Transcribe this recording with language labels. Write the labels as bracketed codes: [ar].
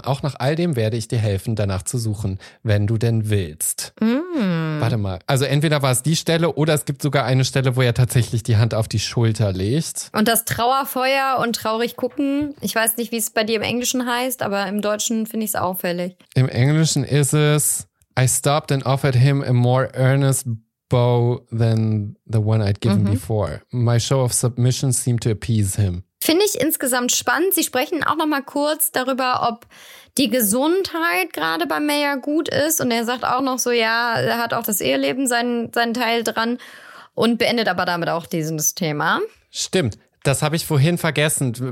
[de] Auch nach all dem werde ich dir helfen, danach zu suchen, wenn du denn willst. Mm. Warte mal. Also entweder war es die Stelle oder es gibt sogar eine Stelle, wo er tatsächlich die Hand auf die Schulter legt. Und das Trauerfeuer und traurig gucken. Ich weiß nicht, wie es bei dir im Englischen heißt, aber im Deutschen finde ich es auffällig. Im Englischen ist es... [en] I stopped and offered him a more earnest bow than the one I'd given before. My show of submission seemed to appease him. [de] Finde ich insgesamt spannend. Sie sprechen auch noch mal kurz darüber, ob die Gesundheit gerade bei Meyer gut ist. Und er sagt auch noch so, ja, er hat auch das Eheleben seinen Teil dran und beendet aber damit auch dieses Thema. Stimmt. Das habe ich vorhin vergessen.